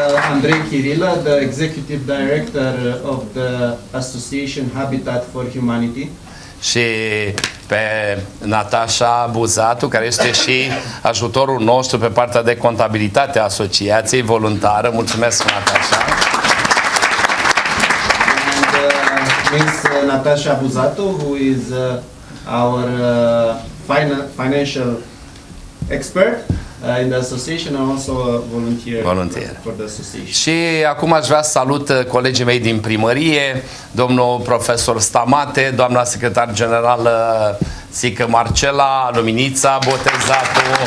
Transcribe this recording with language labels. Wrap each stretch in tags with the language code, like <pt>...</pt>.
<en>Andrei Chirilă, the executive director of the Association Habitat for Humanity.</en> <ro>Și pe Natasha Buzatu, care este și ajutorul nostru pe partea de contabilitate a asociației voluntară. Mulțumesc, Natasha.</ro> <en>And Miss Natasha Buzatu, who is our financial expert in the association, also volunteer for the association.</en> <ro>Și acum aș vrea să salut colegii mei din primărie, domnul profesor Stamate, doamna secretar generală Sică Marcela, Luminița Botezatu,</ro>